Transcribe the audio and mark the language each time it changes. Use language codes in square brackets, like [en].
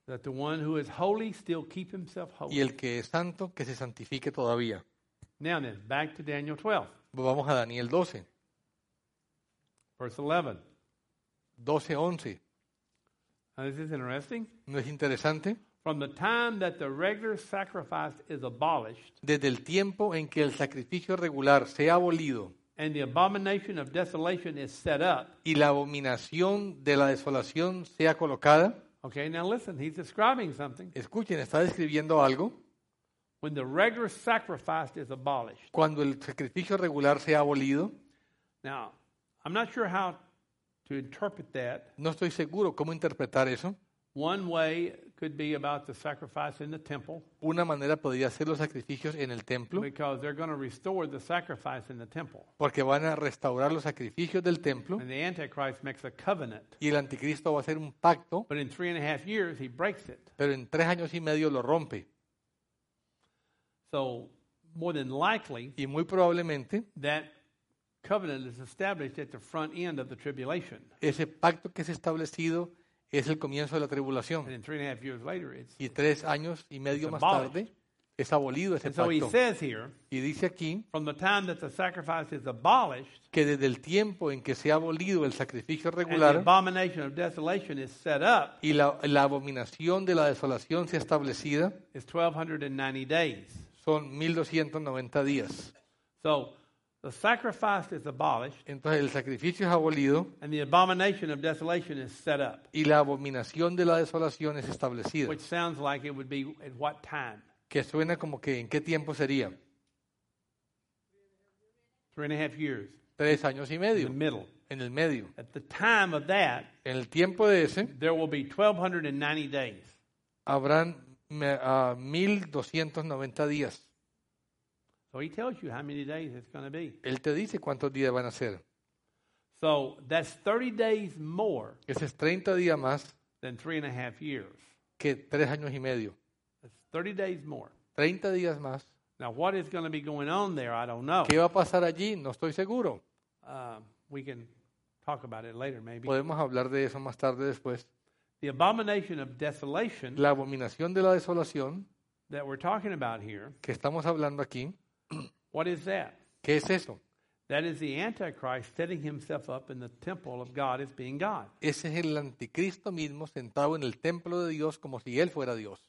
[en] That the one who is holy still keep himself holy. [es] Y el que es santo, que se santifique todavía. [en] Now then, back to Daniel 12. [es] Vamos a Daniel 12. [en] Verse 11. 12:11. Now, this is interesting. [es] ¿No es interesante? [en] From the time that the regular sacrifice is abolished, [es] desde el tiempo en que el sacrificio regular se ha abolido, [en] and the abomination of desolation is set up, [es] y la abominación de la desolación sea colocada. [en] Okay, now listen, he's describing something. [es] Escuchen, está describiendo algo. [en] When the regular sacrifice is abolished, [es] cuando el sacrificio regular se ha abolido. [en] Now, I'm not sure how to interpret that. [es] No estoy seguro cómo interpretar eso. [en] One way could be about the sacrifice in the temple. [es] Una manera podría ser los sacrificios en el templo. [en] Because they're going to restore the sacrifice in the temple. [es] Porque van a restaurar los sacrificios del templo. [en] And the Antichrist makes a covenant. [es] Y el anticristo va a hacer un pacto. [en] But in 3.5 years he breaks it. [es] Pero en 3 años y medio lo rompe. [en] So more than likely. [es] Y muy probablemente. [en] That covenant is established at the front end of the tribulation. [es] Ese pacto que es establecido es el comienzo de la tribulación. [en] And 3.5 years later, [es] y 3 años y medio más tarde es abolido ese [en] pacto. And so he says here, [es] y dice aquí, [en] from the time that the sacrifice is abolished, [es] que desde el tiempo en que se ha abolido el sacrificio regular, [en] and the abomination of desolation is set up, [es] y la abominación de la desolación se ha establecido, [en] is 1290 days. [es] Son 1290 días. [en] So the sacrifice is abolished. [es] Entonces el sacrificio es abolido. [en] And the abomination of desolation is set up. [es] Y la abominación de la desolación es establecida. [en] Which sounds like it would be at what time? [es] Que suena como que en qué tiempo sería. [en] 3.5 years. [es] 3 años y medio. [en] In the middle. [es] En el medio. [en] At the time of that. [es] En el tiempo de ese. [en] There will be 1290 days. [es] Habrán 1290 días. [en] So he tells you how many days it's going to be. [es] Él te dice cuántos días van a ser. [en] So that's 30 days more. [es] Ese es 30 días más. [en] Than 3.5 years. [es] Que 3 años y medio. [en] That's 30 days more. [es] 30 días más. [en] Now what is going to be going on there? I don't know. [es] ¿Qué va a pasar allí? No estoy seguro. [en] We can talk about it later, maybe. [es] Podemos hablar de eso más tarde después. [en] The abomination of desolation. [es] La abominación de la desolación. [en] That we're talking about here. [es] Que estamos hablando aquí. [en] What is that? [es] ¿Qué es eso? [en] That is the Antichrist setting himself up in the temple of God as being God. [es] Ese es el anticristo mismo sentado en el templo de Dios como si él fuera Dios.